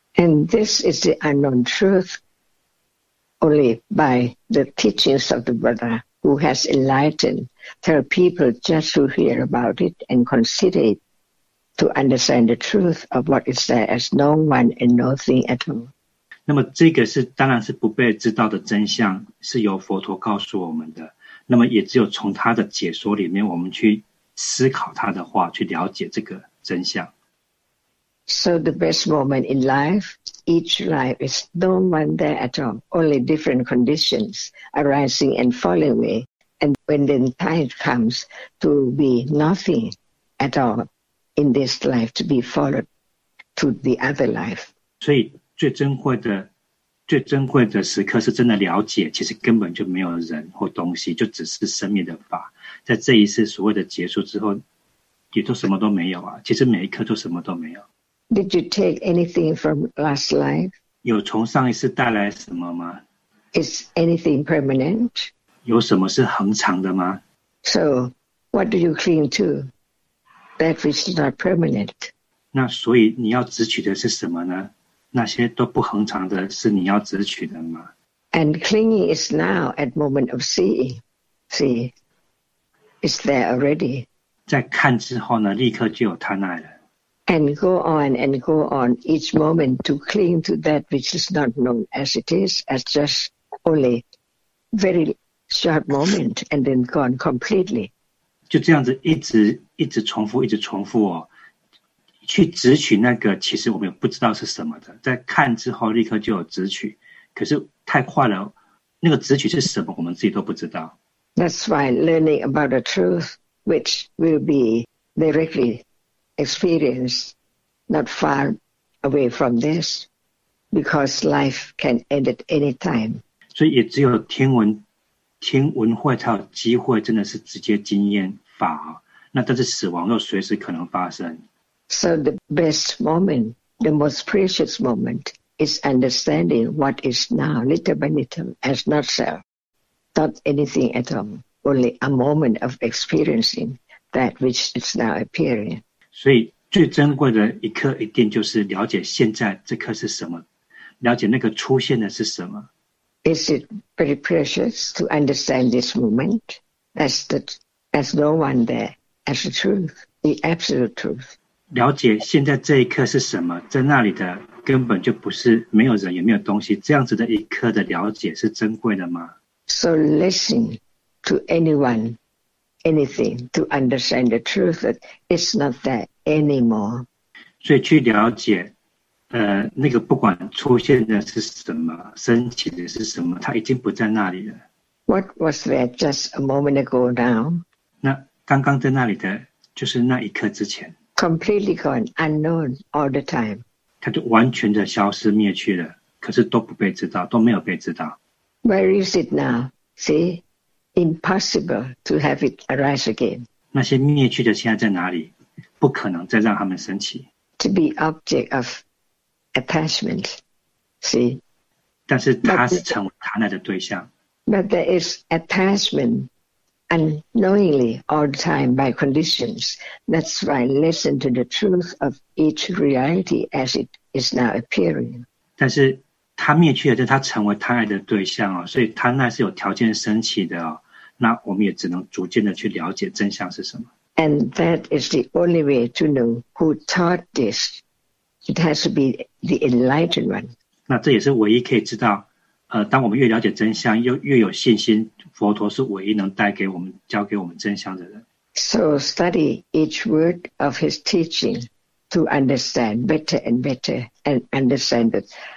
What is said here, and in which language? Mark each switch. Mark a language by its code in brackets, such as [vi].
[en] And this is the unknown truth only by the teachings of the Buddha who has enlightened tell people just to hear about it and consider it to understand the truth of what is there as no one and nothing at all. [zh] 那么这个是当然是不被知道的真相，是由佛陀告诉我们的。那么也只有从他的解说里面，我们去思考他的话，去了解这个真相。 [en] So the best moment in life, each life is no one there at all, only different conditions arising and falling away. And when the time comes to be nothing at all in this life to be followed to the other life. [zh] 所以最珍贵的时刻是真的了解，其实根本就没有人或东西，就只是生命的法。在这一次所谓的结束之后，也都什么都没有啊，其实每一刻都什么都没有。 [en] Did you take anything from last life? [zh] 有从上一次带来什么吗? [en] Is anything permanent? [zh] 有什么是恒常的吗? [en] So, what do you cling to? That which is not permanent. [zh] 那所以你要执取的是什么呢?那些都不恒常的是你要执取的吗? [en] And clinging is now at moment of seeing. See, it's there already. [zh] 在看之后呢,立刻就有贪爱了。 [en] And go on each moment to cling to that which is not known as it is, as just only very short moment and then gone completely. [zh] 就这样子一直重复哦，去执取那个其实我们也不知道是什么的，在看之后立刻就有执取，可是太快了，那个执取是什么我们自己都不知道。 [en] That's why learning about the truth, which will be directly experience not far away from this because life can end at any time. [zh] 所以也只有听闻会才有机会真的是直接经验法，那但是死亡又随时可能发生。 [en] So the best moment, the most precious moment is understanding what is now little by little as not self, not anything at all, only a moment of experiencing that which is now appearing. [zh] 所以最珍贵的一刻一定就是了解现在这刻是什么，了解那个出现的是什么。 [en] Is it very precious to understand this moment as no one there, as the truth, the absolute truth? [zh] 了解现在这一刻是什么，在那里的根本就不是没有人也没有东西，这样子的一刻的了解是珍贵的吗？ [en] So listen to anyone. Anything to understand the truth that it's not there anymore. [zh] 所以去了解，那个不管出现的是什么，升起的是什么，它已经不在那里了。 [en] What was there just a moment ago now? [zh] 那刚刚在那里的，就是那一刻之前。 [en] Completely gone, unknown all the time. [zh] 它就完全的消失灭去了，可是都不被知道，都没有被知道。 [en] Where is it now? See? Impossible to have it arise again. [zh] 那些灭去的现在在哪里？不可能再让他们升起。 [en] To be object of attachment, see. [zh] 但是他是成为贪爱的对象。 [en] But there is attachment unknowingly all the time by conditions. That's why listen to the truth of each reality as it is now appearing. [zh] 但是他灭去了，但他成为贪爱的对象哦，所以贪爱是有条件升起的哦。那我们也只能逐渐的去了解真相是什么。 [en] And that is the only way to know who taught this. It has to be the enlightened one. [zh] 那这也是唯一可以知道，当我们越了解真相，越有信心，佛陀是唯一能带给我们、教给我们真相的人。 [en] So study each word of his teaching to understand better and better and understand it.